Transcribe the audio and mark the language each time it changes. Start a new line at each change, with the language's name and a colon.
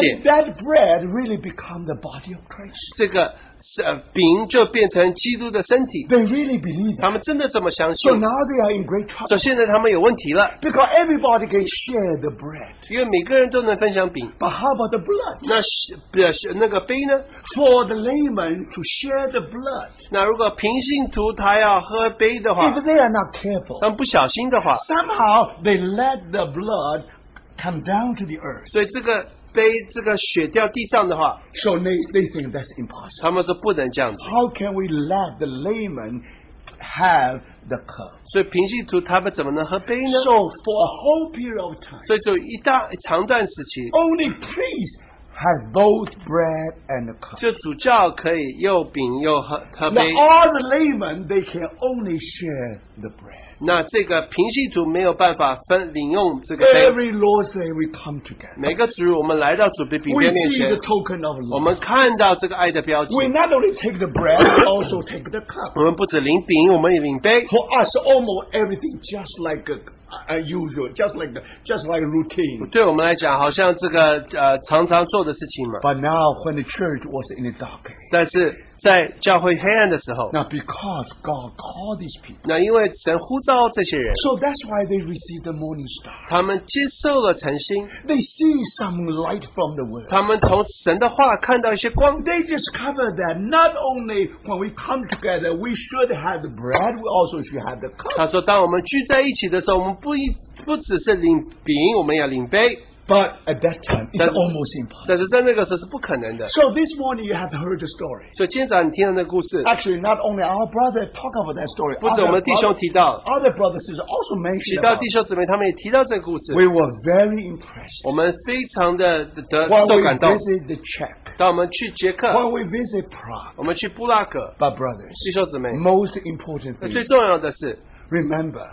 English: and that bread really become the body of Christ.
Chinese: 这个饼就变成基督的身体,
English: they really believe that.
Chinese: 他们真的这么相信。
English: So now they are in great trouble.
Chinese: 所以现在他们有问题了。
English: Because everybody can share the bread.
Chinese: 因为每个人都能分享饼。
English: But how about the blood?
Chinese: 那个杯呢?
English: For the layman to share the blood.
Chinese: 那如果平信徒他要喝杯的话,
English: if they are not careful,
Chinese: 他们不小心的话,
English: somehow they let the blood come down to the earth.
Chinese: 所以这个, 杯这个血掉地上的话,
English: so they think that's impossible.
Chinese: 他们说不能这样子。
English: How can we let the layman have the cup?
Chinese: 所以平信徒他们怎么能喝杯呢?
English: So for a whole period of time,
Chinese: 所以就一大长段时期,
English: only priests have both bread and the cup.
Chinese: 就主教可以又饼又喝杯。
English: Now all the laymen, they can only share the bread.
Chinese: 那这个平信徒没有办法分领用这个杯。
English: Every Lord's Day we come together.
Chinese: 每个主日我们来到主的饼杯面前。
English: We see the token of love.
Chinese: 我们看到这个爱的标记。
English: We not only take the bread, we also take the cup.
Chinese: 我们不止领饼，我们也领杯。
English: For us, almost everything just like usual, just like routine.
Chinese: 对我们来讲，好像这个常常做的事情嘛。
English: But now, when the church was in the dark,
Chinese: 但是 在教会黑暗的时候,
English: now because God called these people,
Chinese: 那因为神呼召这些人,
English: so that's why they received the morning star.
Chinese: 他们接受了晨星,
English: they see some light from the word.
Chinese: 他们从神的话看到一些光,
English: they discovered that not only when we come together we should have the bread, we also should have the cup.
Chinese: 他说当我们聚在一起的时候, 我们不只是领饼, 我们要领杯。
English: But at that time, it's almost impossible.
Chinese: 但是在那个时候是不可能的。
English: So this morning you have heard the story.
Chinese: 所以今天早上你听了那个故事。
English: Actually, not only our brother talk about that story,
Chinese: 不止我们弟兄提到,
English: other brothers also mentioned.
Chinese: 其他弟兄姊妹他们也提到这个故事。
English: We were very impressed.
Chinese: 我们非常的受感动。
English: When we visit the Czech,
Chinese: 当我们去捷克,
English: when we visit Prague,
Chinese: 我们去布拉格,
English: but brothers,
Chinese: 弟兄姊妹,
English: most important thing,
Chinese: 最重要的是,
English: remember,